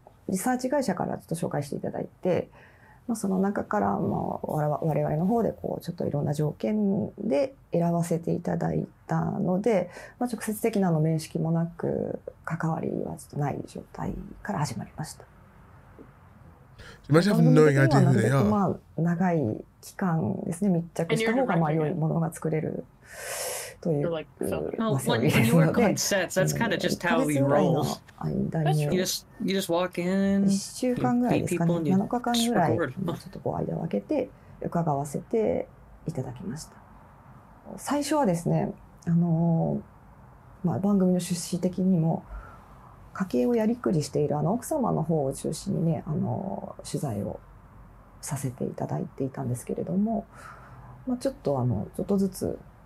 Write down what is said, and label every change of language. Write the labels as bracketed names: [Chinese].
[Japanese] リサーチ会社からちょっと紹介していただいて、まあ、その中から、まあ、我々の方でこうちょっといろんな条件で選ばせていただいたので、まあ、直接的なの面識もなく関わりはちょっとない状態から始まりました。 [English] Imagine having no idea who they are. [Japanese] まあ長い期間ですね密着した方がまあ良いものが作れるという。 [English] Well, when you work on sets, that's kind of just how we roll. You just walk in. [Japanese] 1週間ぐらいですかね。 7日間ぐらいちょっとこう間を空けて伺わせていただきました。最初はですね、まあ番組の趣旨的にも。家計をやりくりしているあの奥様の方を中心にね取材をさせていただいていたんですけれども、まあ、ちょっとちょっとずつ、